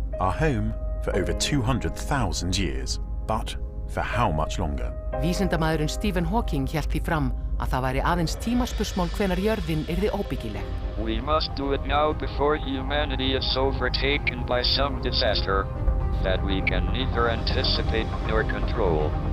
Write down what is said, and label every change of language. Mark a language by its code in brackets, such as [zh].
[en] Our home for over 200,000 years, but for how much longer? [is] Vísindamaðurinn Stephen Hawking hélt því fram að það væri aðeins tímaspursmál hvenær jörðin yrði óbyggileg. [en] We must do it now before humanity is overtaken by some disaster that we can neither anticipate nor control.